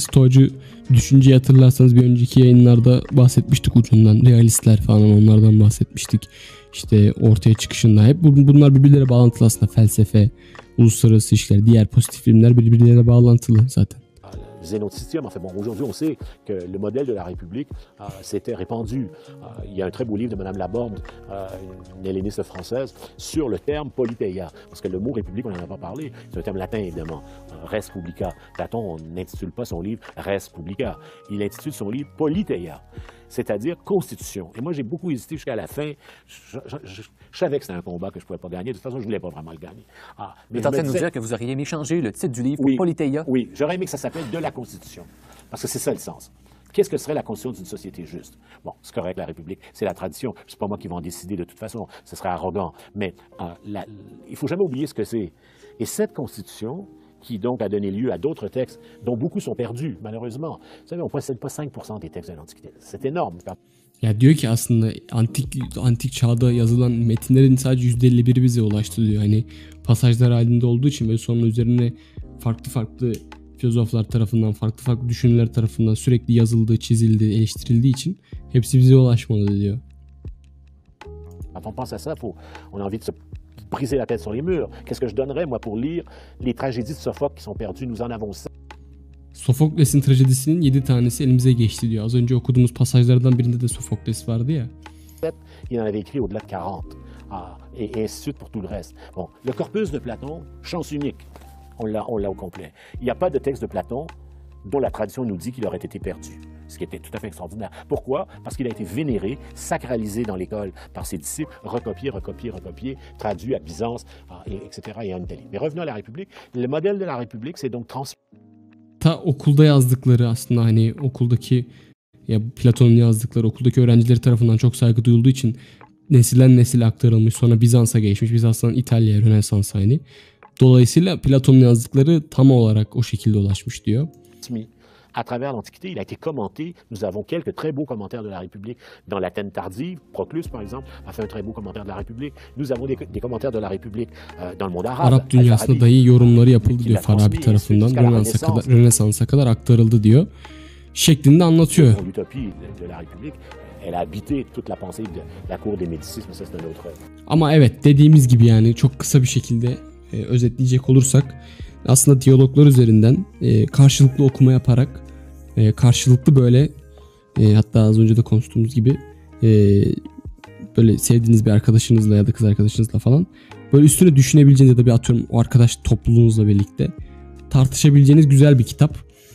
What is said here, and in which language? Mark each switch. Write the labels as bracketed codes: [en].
[tr] Stoacı düşünceyi hatırlarsanız bir önceki yayınlarda bahsetmiştik ucundan. Realistler falan, onlardan bahsetmiştik. İşte ortaya çıkışında hep bunlar birbirleriyle bağlantılı aslında. Felsefe, uluslararası işler, diğer pozitif filmler birbirleriyle bağlantılı zaten. [fr] Zénotisme, enfin bon, aujourd'hui on sait que le modèle de la République s'était répandu. Il y a un très beau livre de Madame Laborde, une helléniste française, sur le terme politeia. Parce que le mot République, on n'en a pas parlé, c'est un terme latin évidemment, res publica. Platon n'intitule pas son livre res publica, il intitule son livre politeia, c'est-à-dire constitution. Et moi j'ai beaucoup hésité jusqu'à la fin. Je savais que c'était un combat que je pouvais pas gagner. De toute façon, je ne voulais pas vraiment le gagner. Ah, mais vous êtes en train de nous dire que vous auriez aimé changer le titre du livre, oui, Politeia. Oui, j'aurais aimé que ça s'appelle De la Constitution. Parce que c'est ça le sens. Qu'est-ce que serait la constitution d'une société juste? Bon, c'est correct, la République, c'est la tradition. Ce n'est pas moi qui vais en décider de toute façon. Ce serait arrogant. Mais il ne faut jamais oublier ce que c'est. Et cette constitution, qui donc a donné lieu à d'autres textes, dont beaucoup sont perdus, malheureusement. Vous savez, on ne possède pas 5% des textes de l'Antiquité. C'est énorme. [tr] Ya diyor ki aslında antik çağda yazılan metinlerin sadece %51'i bize ulaştı diyor. Hani pasajlar halinde olduğu için ve sonra üzerine farklı farklı filozoflar tarafından, farklı farklı düşünürler tarafından sürekli yazıldı, çizildi, eleştirildiği için hepsi bize ulaşmadı diyor. [fr] On pense à ça, on a envie de se briser la tête sur les murs. Qu'est-ce que je donnerais moi pour lire les tragédies de Sophocle qui sont perdues? Nous en avons ça. [tr] Sofokles'in trajedisinin 7 tanesi elimize geçti diyor. Az önce okuduğumuz pasajlardan birinde de Sofokles vardı ya. [fr] Il en avait écrit au-delà de 40. Ah, et ainsi de suite pour tout le reste. Bon, le corpus de Platon, chance unique. On l'a au complet. Il n'y a pas de texte de Platon dont la tradition nous dit qu'il aurait été perdu. Ce qui était tout à fait extraordinaire. Pourquoi? Parce qu'il a été vénéré, sacralisé dans l'école par ses disciples, recopié, traduit à Byzance, etc. et en Italie. Mais revenons à la République. Le modèle de la République, c'est donc [tr] Ta okulda yazdıkları aslında hani okuldaki ya Platon'un yazdıkları okuldaki öğrencileri tarafından çok saygı duyulduğu için nesilden nesile aktarılmış sonra Bizans'a geçmiş. Bizans'tan İtalya'ya Rönesans'a hani. Dolayısıyla Platon'un yazdıkları tam olarak o şekilde ulaşmış diyor. [fr] À travers l'Antiquité, il a été commenté. Nous avons quelques très beaux commentaires de la République dans l'Athènes tardive. Proclus, par exemple, a fait un très beau commentaire de la République. Nous avons des commentaires de la République dans le monde arabe. [tr] Arap dünyasında dahi yorumları yapıldı diyor Farabi tarafından. Rönesans'a kadar aktarıldı diyor. Şeklinde anlatıyor. [fr] L'utopie de la République, elle a habité toute la pensée de la cour des Médicis, mais ça c'est un autre. [tr] Ama evet, dediğimiz gibi yani çok kısa bir şekilde özetleyecek olursak. Aslında diyaloglar üzerinden karşılıklı okuma yaparak karşılıklı böyle hatta az önce de konuştuğumuz gibi böyle sevdiğiniz bir arkadaşınızla ya da kız arkadaşınızla falan böyle üstüne düşünebileceğiniz ya da bir atıyorum o arkadaş topluluğunuzla birlikte tartışabileceğiniz güzel bir kitap.